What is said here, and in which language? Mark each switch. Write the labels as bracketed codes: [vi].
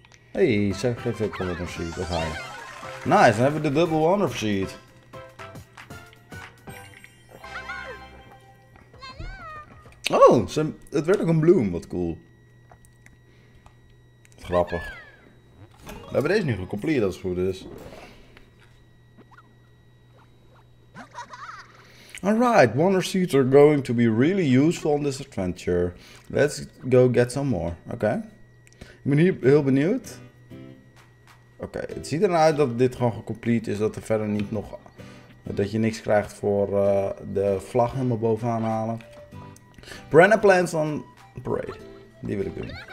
[nl] Hey, zeg geef ik wel wonder seed, of hij. Nice, dan hebben we de double wonder seed. Oh, het werd ook een bloem. Wat cool. Grappig. We hebben deze nu gecompleteerd als het goed is. [en] Alright, wonder seeds are going to be really useful in this adventure. Let's go get some more. Oké. [nl] Ik ben hier heel benieuwd. Oké, het ziet eruit dat dit gewoon gecompleteerd is. Dat er verder niet nog... Dat je niks krijgt voor de vlag helemaal bovenaan halen. [en] Brenna plans on parade. [nl] Die wil ik doen.